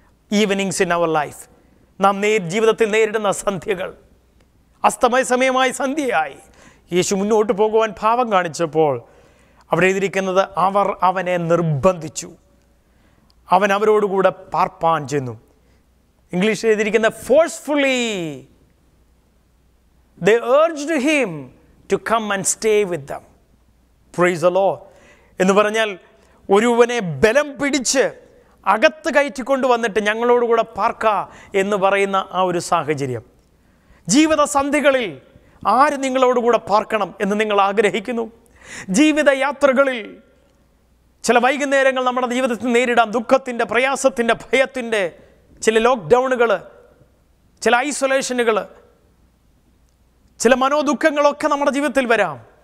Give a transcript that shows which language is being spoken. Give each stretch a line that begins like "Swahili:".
English: evenings in our life,
Malayalam: നാം ജീവിതത്തിൽ നേരിടുന്ന സന്ധ്യകൾ, അസ്തമയ സമയമായി, സന്ധ്യയായി. യേശു മുന്നോട്ട് പോകുവാൻ ഭാവം കാണിച്ചപ്പോൾ അവിടെ ഇരിക്കുന്നത്, അവർ അവനെ നിർബന്ധിച്ചു, അവൻ അവരോടുകൂടെ പാർപ്പാൻ ചെന്നു. ഇംഗ്ലീഷിൽ എഴുതിയിരിക്കുന്ന
English: Forcefully, they urged him to come and stay with them.
Malayalam: Praise the Lord എന്ന് പറഞ്ഞാൽ, ഒരുവനെ ബലം പിടിച്ച് അകത്ത് കയറ്റിക്കൊണ്ട് വന്നിട്ട് ഞങ്ങളോടുകൂടെ പാർക്ക എന്ന് പറയുന്ന ആ ഒരു സാഹചര്യം. ജീവിത സന്ധികളിൽ ആര് നിങ്ങളോടുകൂടെ പാർക്കണം എന്ന് നിങ്ങൾ ആഗ്രഹിക്കുന്നു? ജീവിത യാത്രകളിൽ ചില വൈകുന്നേരങ്ങൾ നമ്മുടെ ജീവിതത്തിൽ നേരിടാം, ദുഃഖത്തിൻ്റെ, പ്രയാസത്തിൻ്റെ, ഭയത്തിൻ്റെ ചില ലോക്ക്ഡൗണുകൾ, ചില ഐസൊലേഷനുകൾ, ചില മനോദുഃഖങ്ങളൊക്കെ നമ്മുടെ ജീവിതത്തിൽ വരാം.